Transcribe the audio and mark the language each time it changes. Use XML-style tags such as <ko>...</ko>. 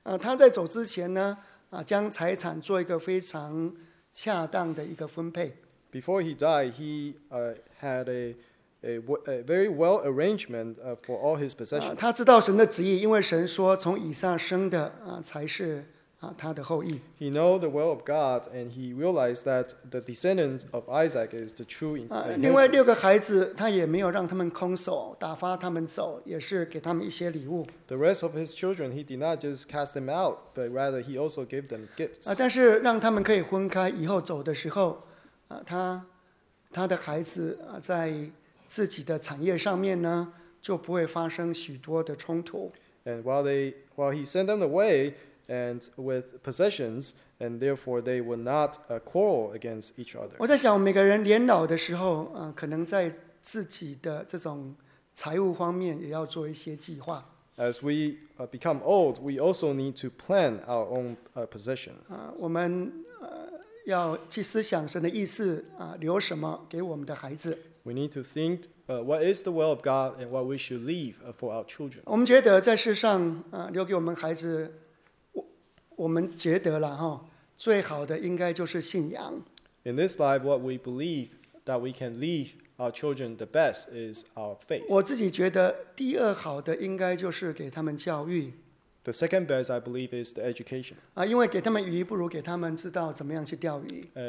<zh>他在走之前呢，将财产做一个非常恰当的一个分配。</zh> <en>Before he died, he had a very well arrangement for all his possessions.</en> <zh>他知道神的旨意，因为神说从以撒生的才是他的后裔。</zh> <en>He know the will of God, and he realized that the descendants of Isaac is the true inheritance.</en> <zh>另外六个孩子，他也没有让他们空手，打发他们走，也是给他们一些礼物。</zh> <en>The rest of his children, he did not just cast them out, but rather he also gave them gifts.</en> <zh>但是让他们可以分开，以后走的时候，他的孩子在自己的产业上面呢，就不会发生许多的冲突。</zh> <en>And while he sent them away, and with possessions, and therefore they will not quarrel against each other.</en> <zh>我在想每个人年老的时候，可能在自己的这种财务方面也要做一些计划。</zh> <en>As we become old, we also need to plan our own possession.</en> <zh>我们要去思想神的意思，留什么给我们的孩子。</zh> <en>We need to think what is the will of God and what we should leave for our children.</en> <zh>我们觉得在世上留给我们孩子，我们觉得了哈，最好的应该就是信仰。</zh> <en>In this life, what we believe that we can leave our children the best is our faith.</en> <zh>我自己觉得第二好的应该就是给他们教育。</zh> <en>The second best, I believe, is the education.</en> <zh>因为给他们鱼，不如给他们知道怎么样去钓鱼。</zh>